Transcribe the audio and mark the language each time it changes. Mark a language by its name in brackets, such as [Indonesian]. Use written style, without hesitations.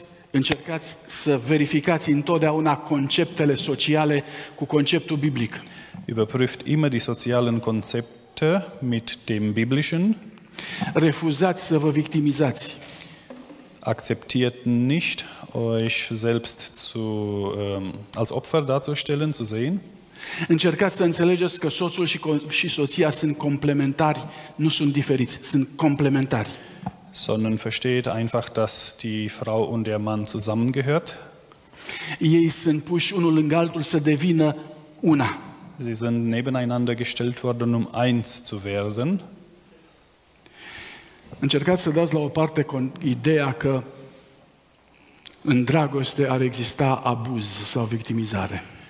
[Romanian] Încercați să verificați întotdeauna conceptele sociale cu conceptul biblic. [German] Überprüft immer die sozialen Konzepte mit dem biblischen. [Romanian] Refuzați să vă victimizați. [German] Akzeptiert nicht euch selbst zu als Opfer darzustellen, zu sehen. [Romanian] Încercați să înțelegeți că soțul și soția sunt complementari, nu sunt diferiți, sunt complementari. [German] Sondern versteht einfach, dass die Frau und der Mann zusammengehört. [Romanian] Ei sunt puși unul lângă altul să devină una. [German] Sie sind nebeneinander gestellt worden, um eins zu werden. [Romanian] Încercați să dați la o parte ideea că în dragoste ar exista abuz sau victimizare.